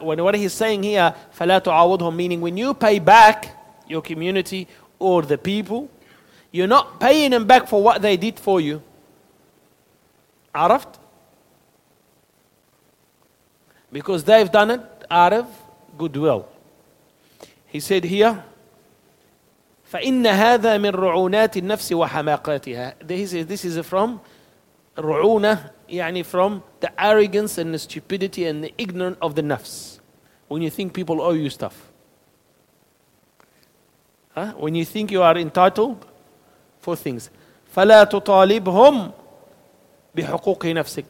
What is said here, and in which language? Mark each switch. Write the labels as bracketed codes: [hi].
[en] When what he's saying here, [ar] فَلَا تُعَاوِضْهُمْ, [en] meaning when you pay back your community or the people, you're not paying them back for what they did for you. [ar] عرفت? [en] Because they've done it out of goodwill. He said here, [ar] فَإِنَّ هَذَا مِنْ رُعُونَاتِ النَّفْسِ وَحَمَاقَاتِهَا. [en] He says, this is from رُعُونَة, يعني from the arrogance and the stupidity and the ignorance of the nafs. When you think people owe you stuff. Huh? When you think you are entitled for things. [ar] فَلَا تُطَالِبْهُمْ بِحُقُوقِ نَفْسِكَ.